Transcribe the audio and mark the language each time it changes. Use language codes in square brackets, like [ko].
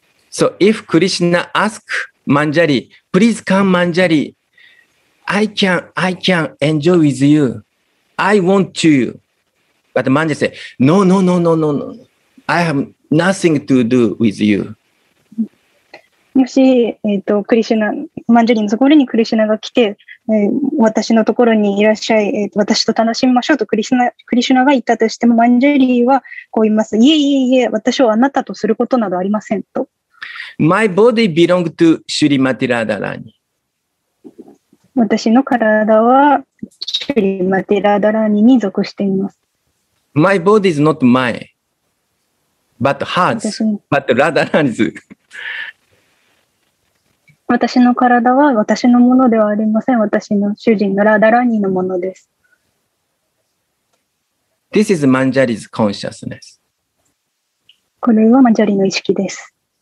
[en] So if Krishna asks Manjari, please come Manjari, I can enjoy with you, I want to, but Manjari say, no, no, no, no, no, no, I have nothing to do with you. [ja] もし、クリシュナ、マンジャリのところにクリシュナが来て、私のところにいらっしゃい、私と楽しみましょうとクリシュナが言ったとしても、マンジャリはこう言います。いえいえいえ、私をあなたとすることなどありませんと。 [en] My body belongs to Shrimati Radharani. [ja] 私の体は Shrimati Radharani に属しています。 [en] My body is not mine, but hers, but Radharani's. [ja] 私の体は私のものではありません。私の主人のラダラニのものです。 [en] This is Manjari's consciousness. [ja] これはマンジャリの意識です。